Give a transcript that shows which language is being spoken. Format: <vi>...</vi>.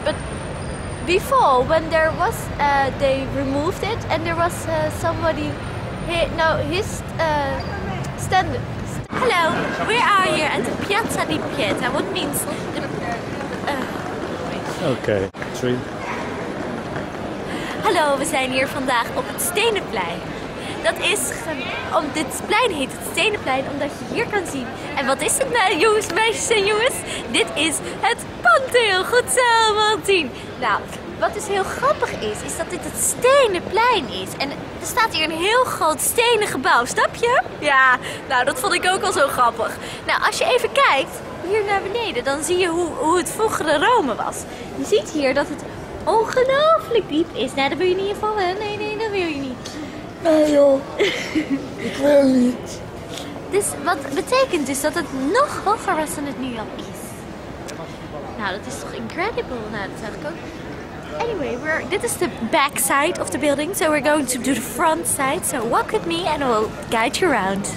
<en>But before, when there was, they removed it, and there was somebody. Hello, we are here at the Piazza di Pietra, what means the... Okay, three.</en> <nl>Hallo, we zijn hier vandaag op het Stenenplein. Dat is... dit plein heet het Stenenplein, omdat je hier kan zien. En wat is het nou, jongens, meisjes en jongens? Dit is het Pantheon. Goed zo, Martien. Nou, wat dus heel grappig is dat dit het Stenenplein is. En er staat hier een heel groot stenen gebouw, snap je? Ja, nou, dat vond ik ook al zo grappig. Nou, als je even kijkt hier naar beneden, dan zie je hoe het vroegere Rome was. Je ziet hier dat het ongelooflijk diep is. Nou, dat wil je niet invallen. Nee, dat wil je niet. Nee, joh. Ik wil niet. Dus wat betekent dus dat het nog hoger was dan het nu al is? Nou, dat is toch incredible? Nou, dat zeg ik ook.</nl> <en>Anyway, this is the back side of the building, so we're going to do the front side. So walk with me and we'll guide you around.</en>